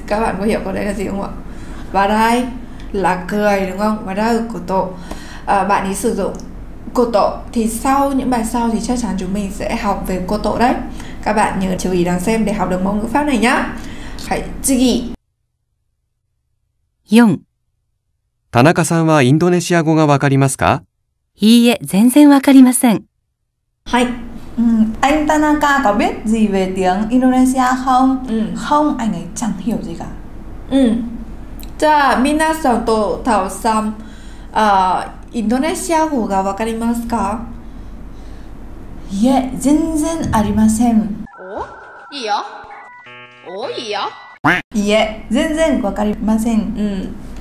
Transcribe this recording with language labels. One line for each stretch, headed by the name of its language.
Vietnamese: Các bạn có hiểu câu đấy là gì không ạ? Warai là cười đúng không?
Japanese: Warau koto.
Vietnamese: Bạn ấy sử dụng koto. Thì sau những bài sau thì chắc chắn chúng mình sẽ học về koto đấy. Các bạn nhớ chú ý đang xem để học được mẫu ngữ pháp này nhá. Hãy chigi. Yong.
Japanese: 田中さんはインドネシア語がわかりますか？いいえ、全然わかりません。はい。
Vietnamese: anh Tanaka có biết gì về tiếng Indonesia không? Không, anh ấy chẳng hiểu gì cả.
Japanese: じゃあ、皆さんとタオさん、インドネシア語がわかりますか？いえ、全然ありません。お？いいよ。お、いいよ。いえ、全然わかりません。